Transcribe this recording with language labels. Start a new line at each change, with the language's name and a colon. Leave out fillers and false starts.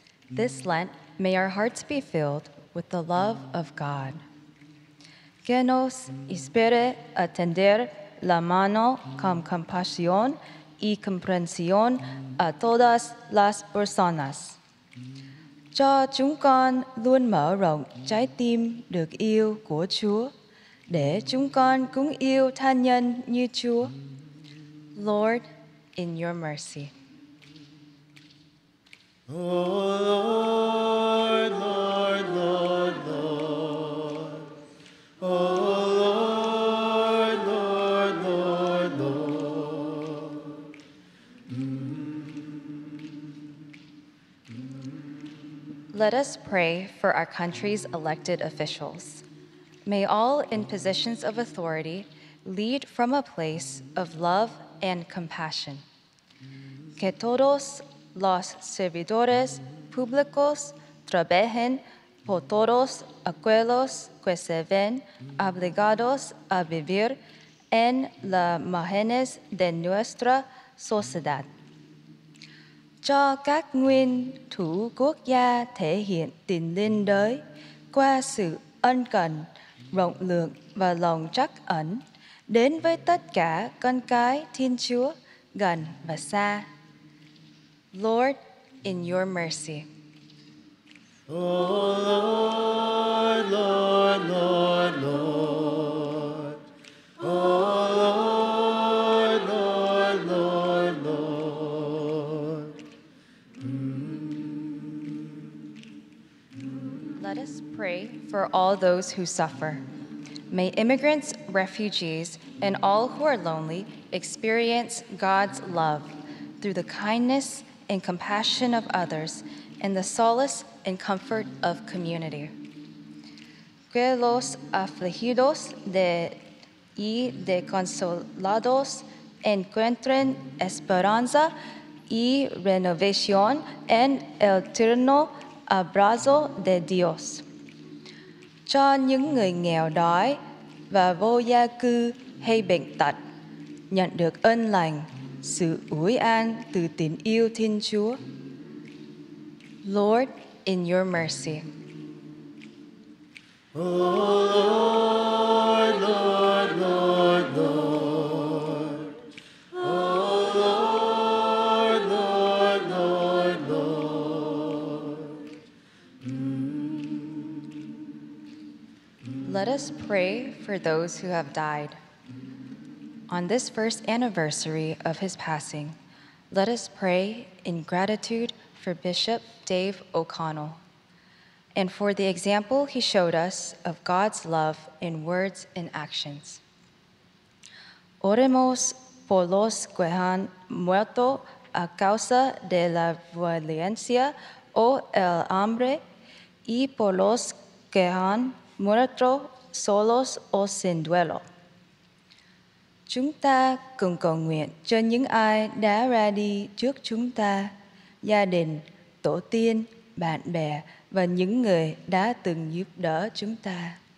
English: This Lent, may our hearts be filled with the love of God.
Spanish: Que nos inspire a tender la mano con compasión y comprensión a todas las personas.
Vietnamese: Cho chúng con luôn mở rộng trái tim được yêu của Chúa, để chúng con cũng yêu tha nhân như Chúa.
English: Lord, in your mercy. Oh, Lord, Lord, Lord, Lord. Oh, Lord, Lord, Lord, Lord. Let us pray for our country's elected officials. May all in positions of authority lead from a place of love and compassion.
Spanish: Que todos los servidores públicos trabajen por todos aquellos que se ven obligados a vivir en las márgenes de nuestra sociedad.
Vietnamese: Cho các nguyên thủ quốc gia thể hiện tình liên đới qua sự ân cần, rộng lượng và lòng trắc ẩn đến với tất cả con cái Thiên Chúa gần và xa.
English: Lord, in your mercy. Oh, Lord, Lord, Lord, Lord. Oh, Lord, Lord, Lord, Lord. Let us pray for all those who suffer. May immigrants, refugees, and all who are lonely experience God's love through the kindness and compassion of others, and the solace and comfort of community.
Spanish: Que los afligidos y desconsolados encuentren esperanza y renovación en el tierno abrazo de Dios.
Vietnamese: Cho những người nghèo đói và vô gia cư hay bệnh tật nhận được ân lành, sự uy an từ tình yêu Thiên Chúa.
English: Lord, in your mercy. Oh, Lord, Lord, Lord, Lord. Oh, Lord, Lord, Lord, Lord. Let us pray for those who have died. On this first anniversary of his passing, let us pray in gratitude for Bishop Dave O'Connell and for the example he showed us of God's love in words and actions.
Spanish: Oremos por los que han muerto a causa de la violencia o el hambre y por los que han muerto solos o sin duelo.
Vietnamese: Chúng ta cùng cầu nguyện cho những ai đã ra đi trước chúng ta, gia đình, tổ tiên, bạn bè và những người đã từng giúp đỡ chúng ta.